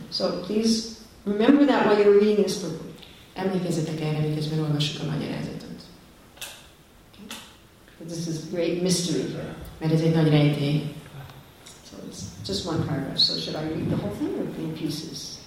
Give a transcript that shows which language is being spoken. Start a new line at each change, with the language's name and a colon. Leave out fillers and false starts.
English: So please remember that while you're reading this book.
Hungarian: Emlékezzetek erre, miközben olvassuk a magyarázatot.
English: Okay. This is a great mystery.
Hungarian: Mert ez egy nagy rejtély.
English: So it's just one paragraph. So should I read the whole thing or in pieces?